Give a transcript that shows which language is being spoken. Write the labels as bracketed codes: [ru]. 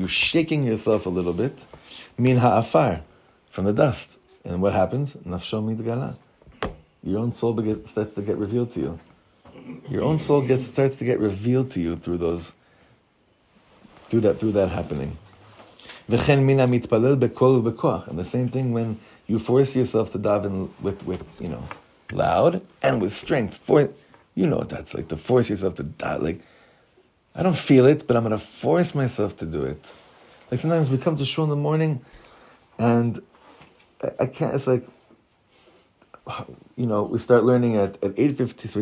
[en] You're shaking yourself a little bit. [he] מן האפר, [en] from the dust. And what happens? [he] נפשו מתגלה. [en] Your own soul starts to get revealed to you. Your own soul starts to get revealed to you through that happening. [he] וכן מן המתפלל בקול ובכוח. [en] And the same thing when you force yourself to daven with you know, loud and with strength. You know what that's like, to force yourself to daven, like, I don't feel it, but I'm going to force myself to do it. Like sometimes we come to shul in the morning and I can't, it's like, you know, we start learning at 8:53.